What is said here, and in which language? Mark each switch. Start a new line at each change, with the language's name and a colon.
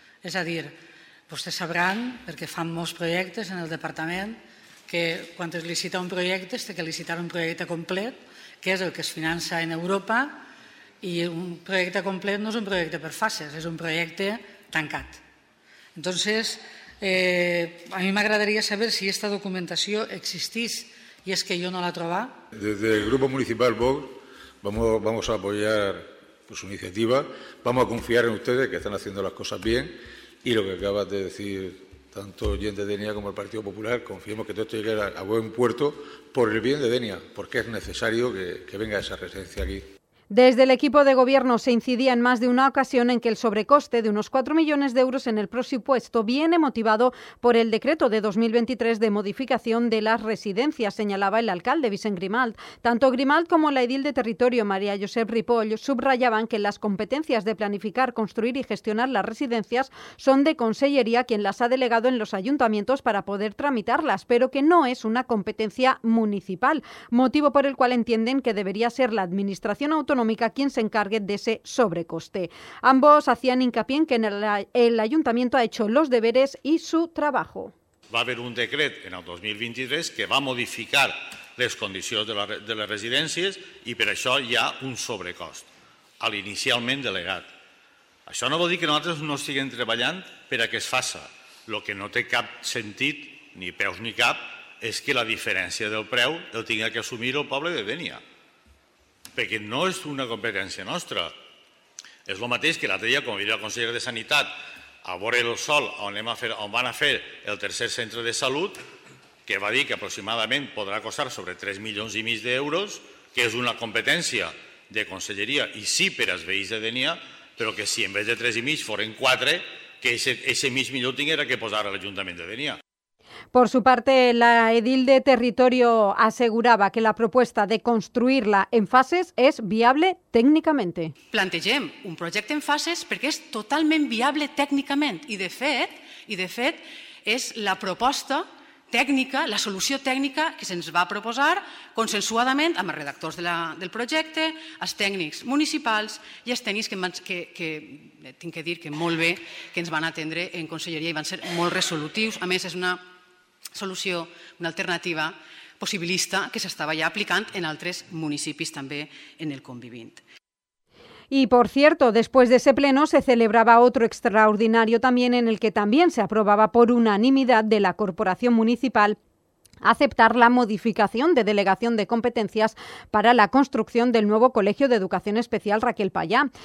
Catalan: És a dir, vostès sabran, perquè fan molts projectes en el departament, que quan es licita un projecte es té que licitar un projecte complet, que és el que es finança en Europa, i un projecte complet no és un projecte per fases, és un projecte tancat. Entonces, a mi m'agradaria saber si aquesta documentació existís, i és que jo no la trobo.
Spanish: Des del grup municipal Vox vamos a apoyar su iniciativa, vamos a confiar en ustedes que están haciendo las cosas bien, y lo que acabas de decir tanto Gent de Denia como el Partido Popular, confiemos que todo esto llegue a buen puerto por el bien de Denia, porque es necesario que venga esa residencia aquí. Desde el equipo de gobierno se incidía en más de una ocasión en que el sobrecoste de unos 4 millones de euros en el presupuesto viene motivado por el decreto de 2023 de modificación de las residencias, señalaba el alcalde Vicent Grimalt. Tanto Grimalt como la edil de territorio María Josep Ripoll subrayaban que las competencias de planificar, construir y gestionar las residencias son de Consellería, quien las ha delegado en los ayuntamientos para poder tramitarlas, pero que no es una competencia municipal, motivo por el cual entienden que debería ser la Administración Autonómica quien se encargue de ese sobrecoste. Ambos hacían hincapié en que el Ayuntamiento ha hecho los deberes y su trabajo.
Catalan: Va a haber un decret en el 2023 que va a modificar les condicions de les residències i per això hi ha un sobrecost al inicialment delegat. Això no vol dir que nosaltres no estiguem treballant per a que es faça. Lo que no té cap sentit, ni peus ni cap, és que la diferència del preu el tingui que assumir el poble de Denia, perquè no és una competència nostra. És el mateix que l'altre dia, quan vaig dir al conseller de Sanitat a veure el sol on van a fer el tercer centre de salut, que va dir que aproximadament podrà costar sobre 3 milions i mig d'euros, que és una competència de conselleria i sí per als veïns de Denia, però que si en vez de 3 i mig foren 4, que ese mig milió tinguera que posar a l'Ajuntament de Denia.
Spanish: Por su parte, la edil de territorio aseguraba que la propuesta de construirla en fases es viable técnicamente.
Catalan: Plantegem un projecte en fases perquè és totalment viable tècnicament i de fet és la proposta tècnica, la solució tècnica que se'ns va proposar consensuadament amb els redactors del projecte, els tècnics municipals i els tècnics que tinc que dir que molt bé que ens van atendre en conselleria i van ser molt resolutius. A més, és una solució, una alternativa possibilista que s'estava ja aplicant en altres municipis també en el Convivint.
Spanish: Y por cierto, después de ese pleno se celebraba otro extraordinario también en el que también se aprobaba por unanimidad de la Corporación Municipal aceptar la modificación de delegación de competencias para la construcción del nuevo Colegio de Educación Especial Raquel Payá.